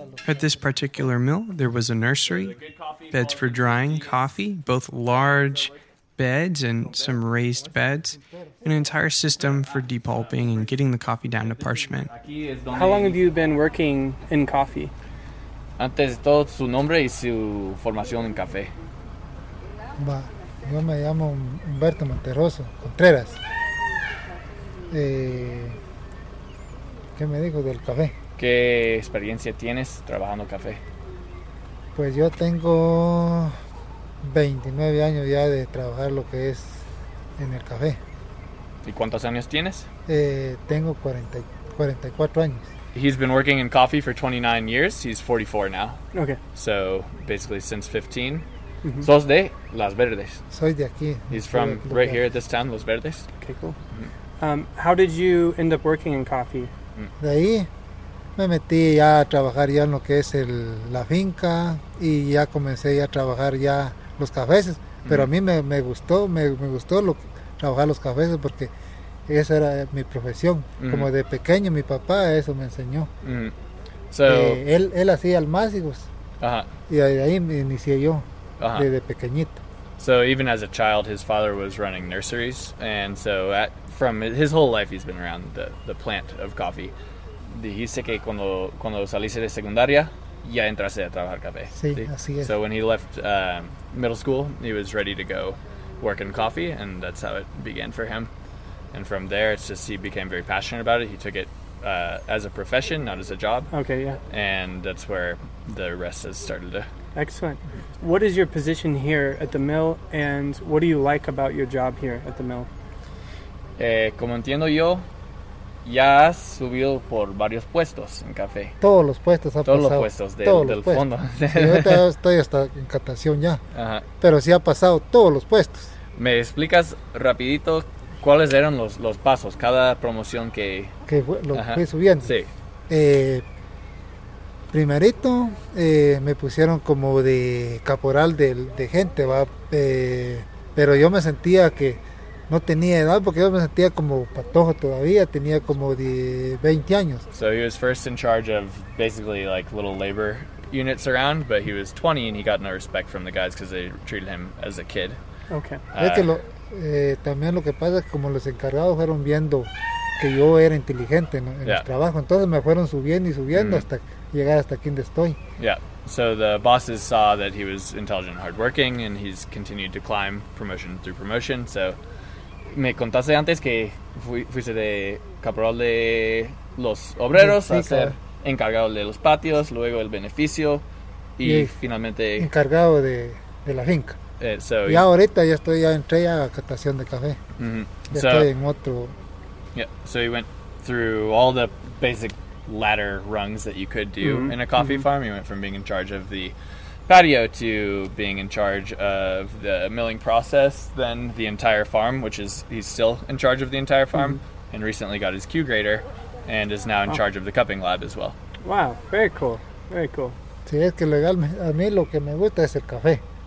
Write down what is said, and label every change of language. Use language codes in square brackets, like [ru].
[en] At this particular mill, there was a nursery, beds for drying coffee, both large beds and some raised beds. an entire system for depulping and getting the coffee down to parchment. How long have you been working in coffee? [es] Antes de todo, su nombre y su formación en café. Va, yo me llamo Humberto Monterroso Contreras. ¿Qué me dijo del café? ¿Qué experiencia tienes trabajando café? Pues yo tengo 29 años ya de trabajar lo que es en el café. ¿Y cuántos años tienes? Tengo 44 años. [en] He's been working in coffee for 29 years. He's 44 now. Okay. So basically since 15. Mm-hmm. [es] ¿Sos de Las Verdes? Soy de aquí. [en] He's from right here at this town, Los Verdes. Okay, cool. Mm-hmm. How did you end up working in coffee? [es] De ahí me metí ya a trabajar ya en lo que es la finca y ya comencé ya a trabajar ya los cafés. Mm-hmm. Pero a mí me gustó trabajar los cafés porque esa era mi profesión. Mm-hmm. Como de pequeño mi papá eso me enseñó. [en] Mm-hmm. So, [es] él hacía almácigos. Uh-huh. Y de ahí me inicié yo. Uh-huh. Desde pequeñito. [en] So even as a child his father was running nurseries, and so from his whole life he's been around the plant of coffee. [es] Dijiste que cuando saliste de secundaria ya entraste a trabajar café. Sí, ¿sí? Así es. [en] So when he left middle school he was ready to go work in coffee, and that's how it began for him. And from there it's just he became very passionate about it. He took it as a profession, not as a job. Okay, yeah. And that's where the rest has started to... Excellent. What is your position here at the mill, and what do you like about your job here at the mill? [es] Como entiendo yo, ya has subido por varios puestos en café. Todos los puestos ha todos pasado. Todos los puestos del fondo. Sí, yo estoy hasta en captación ya. Ajá. Pero sí ha pasado todos los puestos. ¿Me explicas rapidito cuáles eran los pasos, cada promoción que... Que fue, lo fui subiendo. Sí. Primerito me pusieron como de caporal de gente, ¿va? Pero yo me sentía que no tenía edad porque yo me sentía como patojo todavía, tenía como de 20 años. [en] So he was first in charge of basically like little labor units around, but he was 20 and he got no respect from the guys because they treated him as a kid. Okay. [es] Es que también lo que pasa es que como los encargados fueron viendo que yo era inteligente en el trabajo, entonces me fueron subiendo y subiendo hasta... llegar hasta aquí donde estoy. [en] Yeah, so the bosses saw that he was intelligent and hardworking, and he's continued to climb promotion through promotion. So, [es] me contaste antes que fuiste de caporal de los obreros, sí, a ser encargado de los patios, luego el beneficio, y finalmente... encargado de la finca. [en] So [es] ya ahorita ya estoy, ya entré a catación de café. Mm-hmm. Ya so, estoy en otro... [en] Yeah, so he went through all the basic... ladder rungs that you could do mm-hmm. in a coffee mm-hmm. farm. You went from being in charge of the patio to being in charge of the milling process, then the entire farm, which is he's still in charge of the entire farm mm-hmm. and recently got his Q grader and is now in charge of the cupping lab as well. Wow, very cool, very cool. [es] Sí, es que legal, a mí lo que me gusta es el café.